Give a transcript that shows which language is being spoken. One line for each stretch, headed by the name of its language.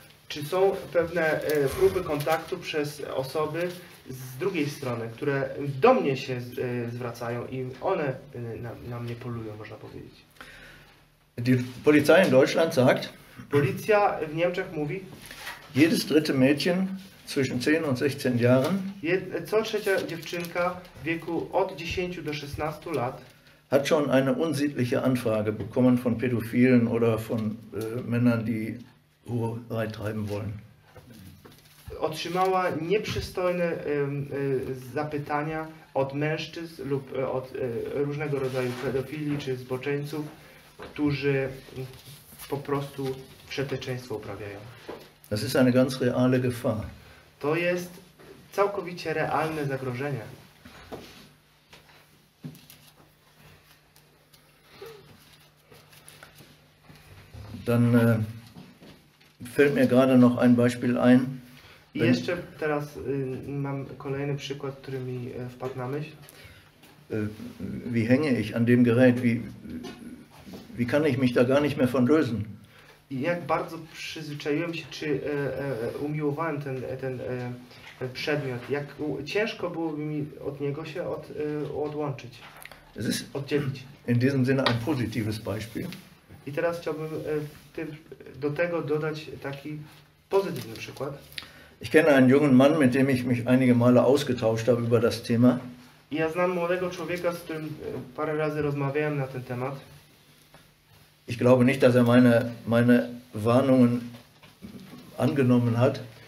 Polish: Czy są pewne próby kontaktu przez osoby z drugiej strony, które do mnie się zwracają i one na mnie polują, można powiedzieć.
German: Die Polizei in Deutschland sagt,
Polish: Policja w Niemczech mówi,
German: jedes dritte Mädchen zwischen 10 und 16 Jahren.
Polish: Co trzecia dziewczynka w wieku od 10 do 16 lat
German: hat schon eine unsittliche Anfrage bekommen von Pädophilen oder von Männern, die Hurerei treiben wollen.
Polish: Otrzymała nieprzystojne zapytania od mężczyzn lub od różnego rodzaju pedofili czy zboczeńców, którzy po prostu przeteczeństwo uprawiają.
German: Das ist eine ganz reale Gefahr.
Polish: To jest całkowicie realne zagrożenie.
German: Dann fällt mir gerade noch ein Beispiel ein.
Polish: I jeszcze teraz mam kolejny przykład, który mi wpadł na myśl.
German: Wie hänge ich an dem Gerät? Wie kann ich mich da gar nicht mehr von lösen?
Polish: jak bardzo przyzwyczaiłem się, czy umiłowałem ten przedmiot. Jak ciężko byłoby mi od niego się odłączyć, oddzielić.
German: In diesem Sinne ein positives Beispiel.
Polish: I teraz chciałbym do tego dodać taki pozytywny przykład.
German: Ich kenne einen jungen Mann, mit dem ich mich einige Male ausgetauscht habe über das Thema.
Polish: Ja znam młodego człowieka, z którym parę razy rozmawiałem na ten temat.
German: Ich glaube nicht, dass er meine Warnungen angenommen hat.